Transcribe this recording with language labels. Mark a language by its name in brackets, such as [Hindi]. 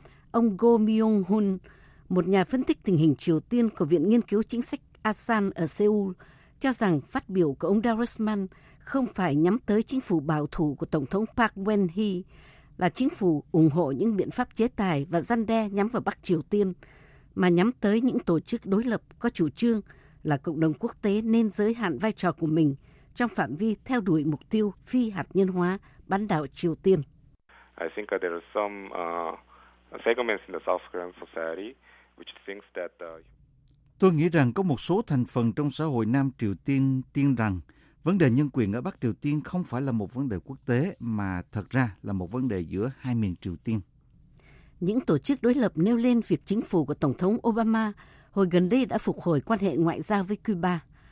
[Vietnamese] Ông Go Myung-hun, một nhà phân tích tình hình Triều Tiên của Viện Nghiên cứu Chính sách ASEAN ở Seoul, cho rằng phát biểu của ông Darusman không phải nhắm tới chính phủ bảo thủ của Tổng thống Park Geun-hye, là chính phủ ủng hộ những biện pháp chế tài và răn đe nhắm vào Bắc Triều Tiên, mà nhắm tới những tổ chức đối lập có chủ trương là cộng đồng quốc tế nên giới hạn vai trò của mình trong phạm vi theo đuổi mục tiêu phi hạt nhân hóa bán đảo Triều Tiên. [English] I think there are some segments in the South Korean society which thinks that [Vietnamese] Tôi nghĩ rằng có một số thành phần trong xã hội Nam Triều Tiên tin rằng vấn đề nhân quyền ở Bắc Triều Tiên không phải là một vấn đề quốc tế mà thật ra là một vấn đề giữa hai miền Triều Tiên. Những tổ chức đối lập nêu lên việc chính phủ của Tổng thống Obama hồi gần đây đã phục hồi quan hệ ngoại giao với Cuba.